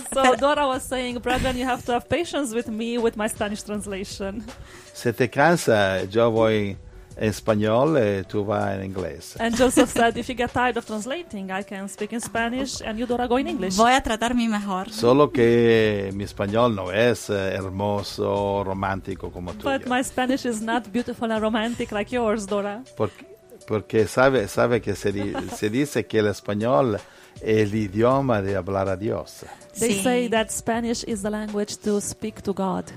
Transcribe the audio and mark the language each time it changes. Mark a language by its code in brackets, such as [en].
[en] So Dora was saying, Brandon, you have to have patience with me with my Spanish translation. [es] Se te cansa, yo voy en español, tú vas en inglés. [en] And Joseph said, if you get tired of translating, I can speak in Spanish and you, Dora, go in English. [es] Voy a tratar mi mejor. Solo que mi español no es hermoso, romántico como tuyo. [en] But my Spanish is not beautiful and romantic like yours, Dora. [es] Porque sabe que se dice que el español es el idioma de hablar a Dios. [en] They [es] sí. [en] say that Spanish is the language to speak to God.